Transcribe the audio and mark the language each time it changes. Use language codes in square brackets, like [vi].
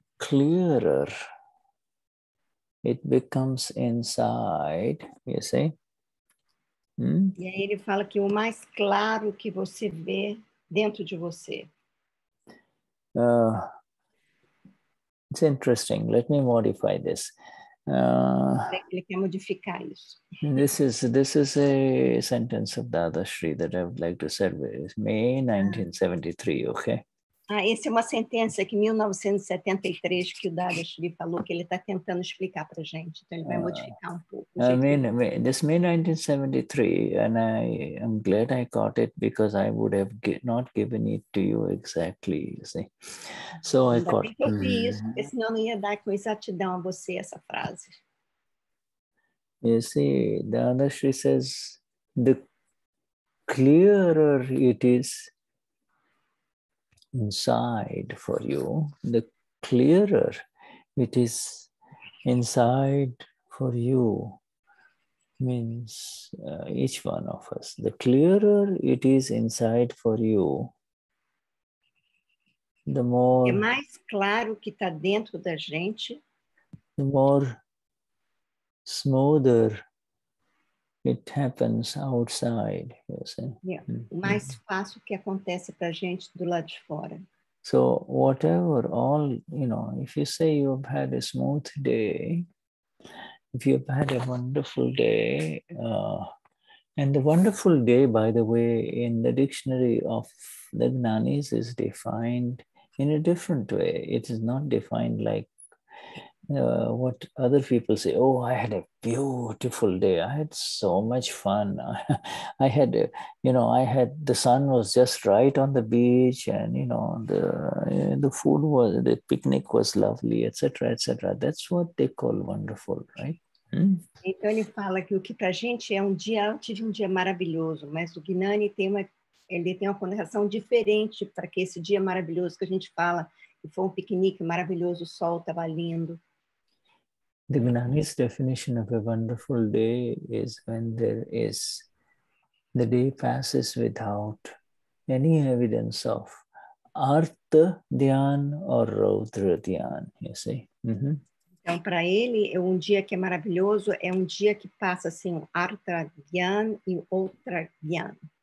[en] The more clearer it becomes inside, you see. [pt] E aí ele fala que o mais claro que você vê dentro de você. [en] It's interesting. Let me modify this. [pt] Ele quer modificar isso. [en] This is a sentence of Dadashri that I would like to serve. It's May 1973, okay? [pt] Ah, essa é uma sentença que 1973 que o Dadashri falou que ele está tentando explicar para gente. Então ele vai modificar um pouco. [en] This May 1973, and I'm glad I caught it because I would have not given it to you exactly, you see. So I caught. [pt] Eu vi isso, porque senão não ia dar com exatidão a você essa frase. [en] You see, Dadashri says, the clearer it is inside for you, the clearer it is inside for you, means each one of us. The clearer it is inside for you, the more... [pt] É mais claro que tá dentro da gente. [en] The more... smoother it happens outside, you see. [pt] Yeah. Mais fácil que acontece pra gente do lado de fora. [en] So whatever, all, you know, if you say you've had a smooth day, if you've had a wonderful day, and the wonderful day, by the way, in the dictionary of the Gnanis is defined in a different way. It is not defined like what other people say, oh, I had a beautiful day. I had so much fun. I had the sun was just right on the beach and, you know, the food was, the picnic was lovely, etc., etc. That's what they call wonderful, right? [pt] Então, ele fala que o que pra gente é um dia, eu tive um dia maravilhoso, mas o Gnani tem uma, ele tem uma conotação diferente para que esse dia maravilhoso que a gente fala, que foi um piquenique maravilhoso, o sol estava lindo. [en] The Gnani's definition of a wonderful day is when there is, the day passes without any evidence of Artha Dhyan or Rudra Dhyan, you see. [pt] Então, para ele, é um dia que é maravilhoso, é um dia que passa assim, Artha Dhyan e Rudra Dhyan.